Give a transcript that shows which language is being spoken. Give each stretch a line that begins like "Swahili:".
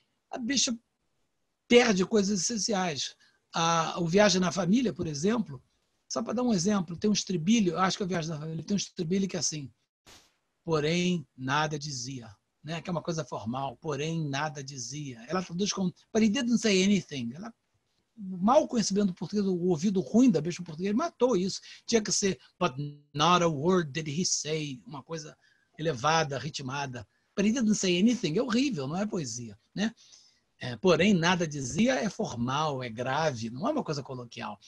Portuguese: A Bishop perde coisas essenciais. O Viagem na Família, por exemplo, só para dar um exemplo, tem um estribilho, acho que a Viagem da Família, tem um estribilho que é assim, porém, nada dizia, né? Que é uma coisa formal, porém, nada dizia. Ela traduz como,
English: but he didn't say anything.
Portuguese: Ela, mal conhecimento do português, o ouvido ruim da Bishop português, matou isso. Tinha que ser,
English: but not a word did he say,
Portuguese: uma coisa elevada, ritmada.
English: pretend to say anything,
Portuguese: é horrível, não é poesia, né? É, porém, nada dizia é formal, é grave, não é uma coisa coloquial.